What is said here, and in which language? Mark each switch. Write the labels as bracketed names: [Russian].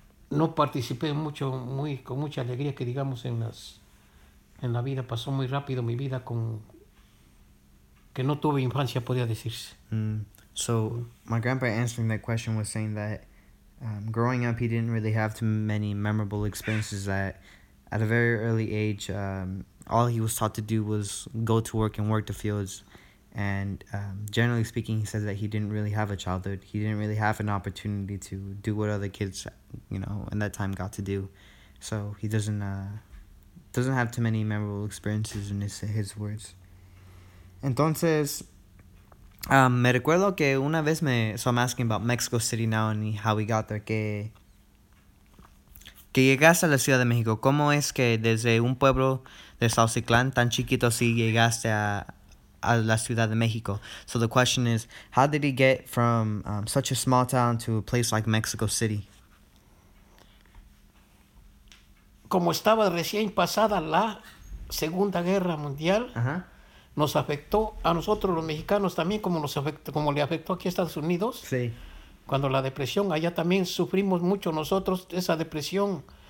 [Spanish] No participé mucho, con mucha alegría, que digamos, en la vida. Pasó muy rápido mi vida que no tuve infancia, podía decirse. [English] So my grandpa answering that question was saying that growing up he didn't really have too many memorable experiences, that at a very early age all he was taught to do was go to work and work the fields. And generally speaking, he says that he didn't really have a childhood. He didn't really have an opportunity to do what other kids, in that time got to do. So he doesn't have too many memorable experiences in his words. [Spanish] Entonces, me recuerdo que una vez [English] so I'm asking about Mexico City now and how we got there. [Spanish] Que llegaste a la Ciudad de México. ¿Cómo es que desde un pueblo de Sauciclán tan chiquito así llegaste a la Ciudad de México? [English] So the question is, how did he get from such a small town to a place like Mexico City? [Spanish] Como estaba recién pasada la Segunda Guerra Mundial, nos afectó a nosotros los mexicanos también, como le afectó aquí a Estados Unidos, Sí. cuando la depresión, allá también sufrimos mucho nosotros esa depresión.